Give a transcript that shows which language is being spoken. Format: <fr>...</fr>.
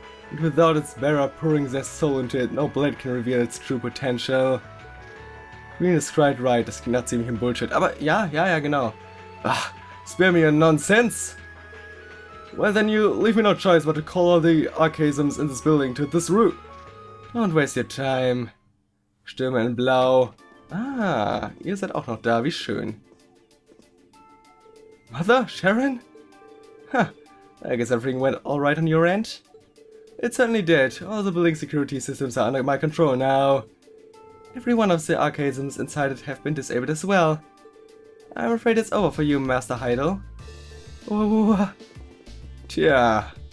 <en>And without its bearer pouring their soul into it, no blade can reveal its true potential. Green is quite right,</en> <de>das klingt nach ziemlichem Bullshit. Aber ja, genau.</de> <en>Ah, spare me your nonsense! Well then you leave me no choice but to call all the archaisms in this building to this route. Don't waste your time. Stürme in blau.</en> <de>Ah, ihr seid auch noch da, wie schön.</de> <en>Mother? Sharon? Huh, I guess everything went alright on your end. It certainly did. All the building security systems are under my control now. Every one of the archaisms inside it have been disabled as well. I'm afraid it's over for you, Master Heidel. Oh, tja.</en>